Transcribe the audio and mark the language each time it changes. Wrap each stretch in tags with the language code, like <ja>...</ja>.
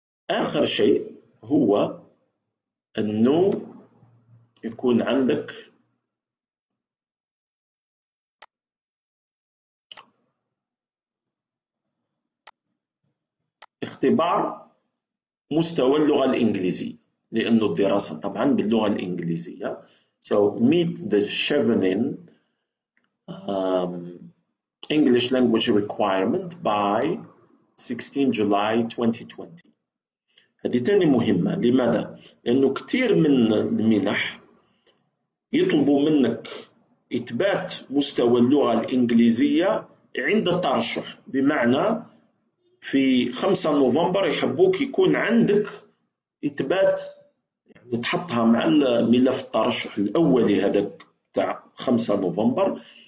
<ar>آخر شيء هو أنه يكون عندك اختبار مستوى اللغة الإنجليزية، لأن الدراسة طبعا باللغة الإنجليزية.</ar> <en>So meet the Chevenin English language requirement by 16 July 2020.</en> <ar>هذه تاني مهمة. لماذا؟ لأنه كثير من المنح يطلبوا منك إثبات مستوى اللغة الإنجليزية عند الترشح، بمعنى في 5 نوفمبر يحبوك يكون عندك إثبات، يعني تحطها مع الملف الترشح الأولي هذاك تاع 5 نوفمبر،</ar>